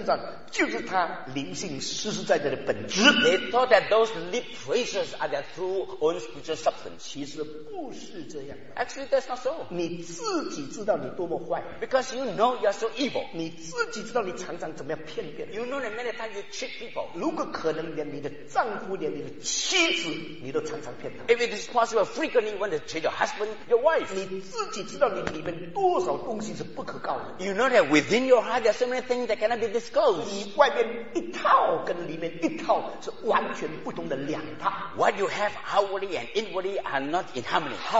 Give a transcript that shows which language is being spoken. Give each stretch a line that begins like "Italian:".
Chinese: 他都以为挂在人口对他的称赞，就是他灵性实实在在的本质。
English: They thought that those lip praises are their true own spiritual substance.
Chinese: 其实不是这样的。
English: Actually, that's not so.
Chinese: 你自己知道你多么坏。
English: Because you know you are so evil.
Chinese: 你自己知道你常常怎么样骗别人。
English: You know that many times you cheat people.
Chinese: 如果可能连你的丈夫，连你的妻子，你都常常骗他。
English: If it is possible, frequently want to cheat your husband, your wife.
Chinese: 自己知道你里面多少东西是不可告人的。
English: You know that within your heart there are so many things that cannot be disclosed.
Chinese: 你外面一套跟里面一套是完全不同的两套。
English: What you have outwardly and inwardly are not in harmony.